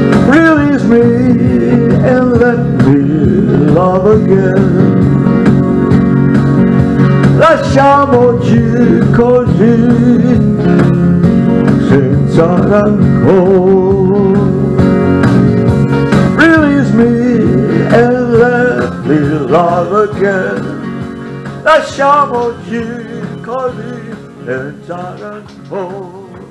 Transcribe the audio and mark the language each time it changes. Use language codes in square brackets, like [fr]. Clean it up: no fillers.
[en] Release me and let me love again. [it] Lasciamoci così senza rancore. [en] Release me and let me love again. [it] Lasciamoci così senza rancore.